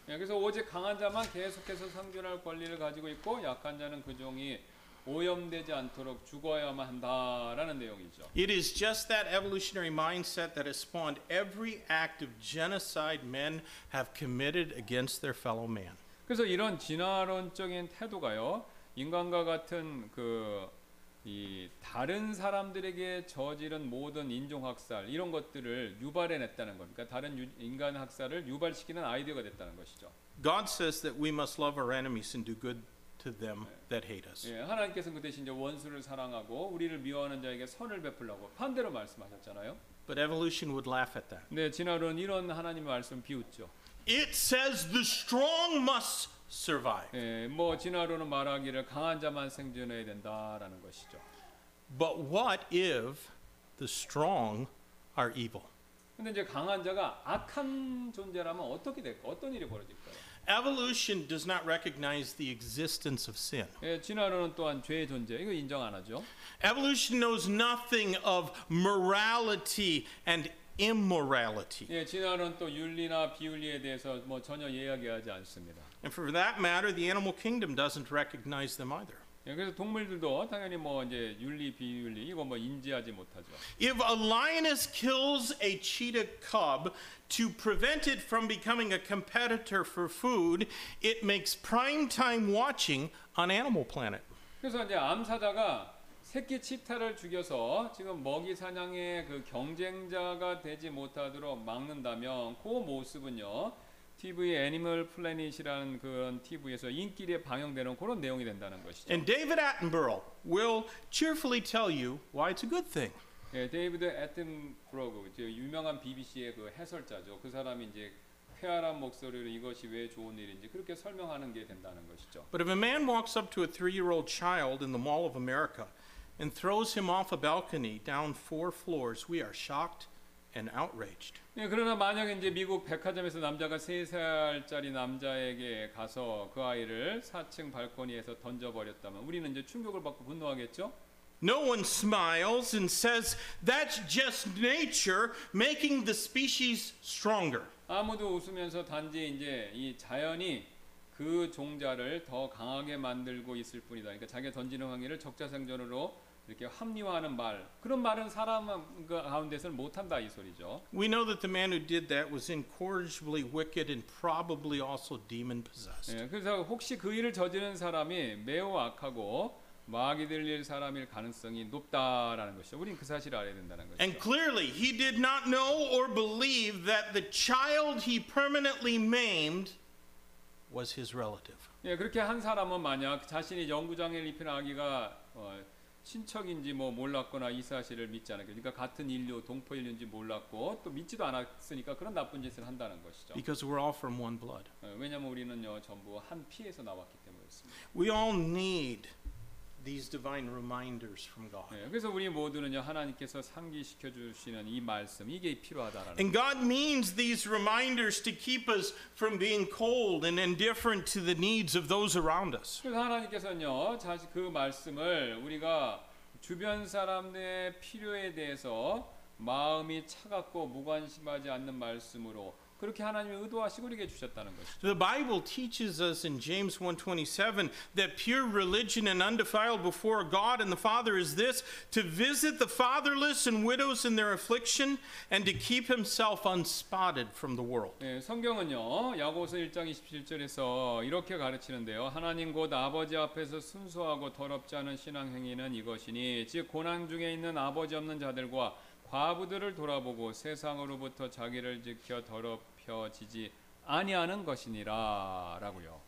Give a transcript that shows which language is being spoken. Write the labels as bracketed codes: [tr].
[ko] 예, 그래서 오직 강한 자만 계속해서 생존할 권리를 가지고 있고 약한 자는 그 종이 오염되지 않도록 죽어야만 한다라는 내용이죠. [en] It is just that evolutionary mindset that has spawned every act of genocide men have committed against their fellow man. [ko] 그래서 이런 진화론적인 태도가요, 인간과 같은 그 이 다른 사람들에게 저지른 모든 인종 학살 이런 것들을 유발해 냈다는 것. 그러니까 다른 인간 학살을 유발시키는 아이디어가 됐다는 것이죠. [en] God says that we must love our enemies and do good to them that hate us. [ko] 예, 하나님께서는 그 대신 이제 원수를 사랑하고 우리를 미워하는 자에게 선을 베풀라고 반대로 말씀하셨잖아요. [en] But evolution would laugh at that. [ko] 네, 진화론 이런 하나님의 말씀 비웃죠. [en] It says the strong must survive. [ko] 예, 뭐 진화론은 말하기를 강한 자만 생존해야 된다라는 것이죠. [en] But what if the strong are evil? [ko] 근데 이제 강한 자가 악한 존재라면 어떻게 될까? 어떤 일이 벌어질까요? [en] Evolution does not recognize the existence of sin. [ko] 예, 진화론은 또한 죄의 존재 이거 인정 안 하죠. [en] Evolution knows nothing of morality and immorality. [ko] 예, 진화론은 또 윤리나 비윤리에 대해서 뭐 전혀 이야기하지 않습니다. [en] And for that matter, the animal kingdom doesn't recognize them either. [ko] 예, 그래서 동물들도 당연히 뭐 이제 윤리 비윤리 이거 뭐 인지하지 못하죠. [en] If a lioness kills a cheetah cub to prevent it from becoming a competitor for food, it makes prime time watching on Animal Planet. [ko] 그래서 이제 암사자가 새끼 치타를 죽여서 지금 먹이 사냥의 그 경쟁자가 되지 못하도록 막는다면 그 모습은요. TV 애니멀 플래닛이라는 그런 TV에서 인기리에 방영되는 그런 내용이 된다는 것이죠. [en] And David Attenborough will cheerfully tell you why it's a good thing. [ko] 예, 데이비드 애튼브로그, 이제 유명한 BBC의 그 해설자죠. 그 사람이 이제 쾌활한 목소리로 이것이 왜 좋은 일인지 그렇게 설명하는 게 된다는 것이죠. [en] But if a man walks up to a three-year-old child in the Mall of America and throws him off a balcony down four floors, we are shocked and outraged. [ko] 예, 그러나 만약에 이제 미국 백화점에서 남자가 3살짜리 남자에게 가서 그 아이를 4층 발코니에서 던져버렸다면 우리는 이제 충격을 받고 분노하겠죠? [en] No one smiles and says that's just nature making the species stronger. [ko] 아무도 웃으면서 단지 이제 이 자연이 그 종자를 더 강하게 만들고 있을 뿐이다. 그러니까 자기가 던지는 황이를 적자생존으로 이렇게 합리화하는 말 그런 말은 사람 가운데서는 못한다 이 소리죠. [en] We know that the man who did that was incorrigibly wicked and probably also demon possessed. [ko] 예, 그래서 혹시 그 일을 저지른 사람이 매우 악하고 마귀 들릴 사람일 가능성이 높다라는 것이죠. 우리는 그 사실을 알아야 된다는 것이죠. [en] And clearly, he did not know or believe that the child he permanently maimed was his relative. [ko] 예, 그렇게 한 사람은 만약 자신이 연구장에 입힌 아기가 친척인지 뭐 몰랐거나 이 사실을 믿지 않았고, 그러니까 같은 인류 동포 인류인지 몰랐고 또 믿지도 않았으니까 그런 나쁜 짓을 한다는 것이죠. [en] Because we're all from one blood. [ko] 왜냐하면 우리는요 전부 한 피에서 나왔기 때문입니다. [en] We all need these divine reminders from God. [ko] 그래서 우리 모두는요 하나님께서 상기시켜 주시는 이 말씀 이게 필요하다라는. [en] And God means these reminders to keep us from being cold and indifferent to the needs of those around us. [ko] 그래서 하나님께서는요 다시 그 말씀을 우리가 주변 사람들의 필요에 대해서 마음이 차갑고 무관심하지 않는 말씀으로 그렇게 하나님이 의도하시고 우리에게 주셨다는 것이죠. [en] The Bible teaches us in James 1:27 that pure religion and undefiled before God and the Father is this: to visit the fatherless and widows in their affliction and to keep himself unspotted from the world. [ko] 예, 성경은요. 야고보서 1장 27절에서 이렇게 가르치는데요. 하나님 곧 아버지 앞에서 순수하고 더럽지 않은 신앙 행위는 이것이니 즉 고난 중에 있는 아버지 없는 자들과 과부들을 돌아보고 세상으로부터 자기를 지켜 더럽혀지지 아니하는 것이니라라고요.